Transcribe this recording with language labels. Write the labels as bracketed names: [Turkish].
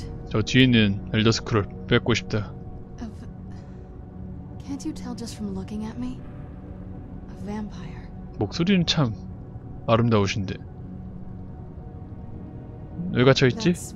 [Korean] 저 뒤에 있는 엘더스크롤 뺏고 싶다. [English] Can't you tell just from looking at me? A vampire. [Korean] 목소리는 참 아름다우신데 왜 갇혀 있지?